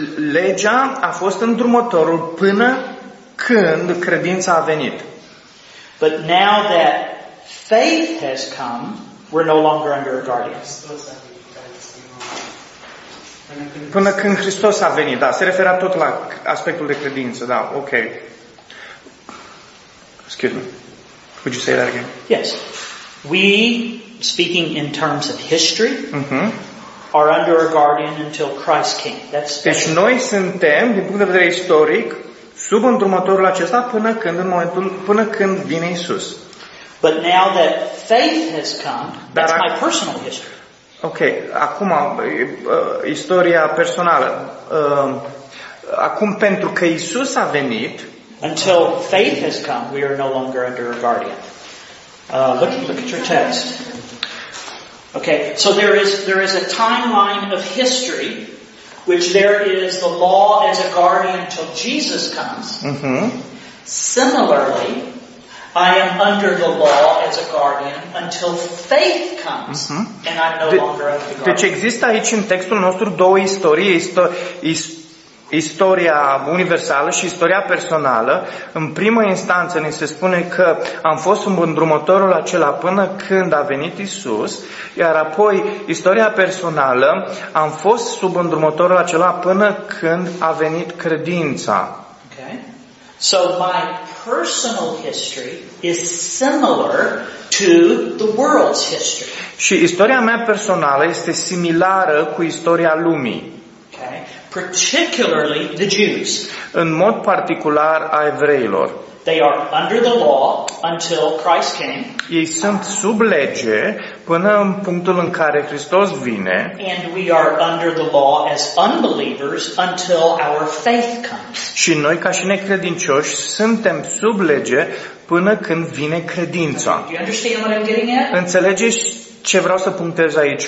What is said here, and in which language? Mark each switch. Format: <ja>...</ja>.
<ro>Legea a fost îndrumătorul până când credința a venit.</ro> <en>But now that faith has come, we're no longer under a guardian.</en> <ro>Până când Hristos a venit, da, se referea tot la aspectul de credință, da, ok.</ro> <en>Excuse me. Would you say that again? Yes. We, speaking in terms of history, are under a guardian until Christ came.</en> <ro>Deci noi suntem, din punct de vedere istoric, sub îndrumătorul acesta până când vine Iisus.</ro> <en>But now that faith has come, that's my personal history.</en> <ro>Ok, acum istoria personală. Acum pentru că Iisus a venit.</ro> <en>Until faith has come, we are no longer under a guardian. Look at your text. Okay, so there is a timeline of history, which there is the law as a guardian until Jesus comes. Mm-hmm. Similarly, I am under the law as a guardian until faith comes, and I'm no longer under the guard.</en> <ro>Deci există aici în textul nostru două istorie, istoria universală și istoria personală. În primă instanță ni se spune că am fost sub îndrumătorul acela până când a venit Iisus, iar apoi istoria personală, am fost sub îndrumătorul acela până când a venit credința.</ro> <en>Okay. So my personal history is similar to the world's history.</en> <ro>Și istoria mea personală este similară cu istoria lumii.</ro> <en>Okay. particularly the Jews.</en> <ro>În mod particular a evreilor.</ro> <en>They are under the law until Christ came.</en> <ro>Ei sunt sub lege până în punctul în care Hristos vine.</ro> <en>And we are under the law as unbelievers until our faith comes.</en> <ro>Și noi ca și necredincioși suntem sub lege până când vine credința.</ro> <en>Do you understand what I'm getting at?</en> <ro>Înțelegeți ce vreau să punctez aici?</ro>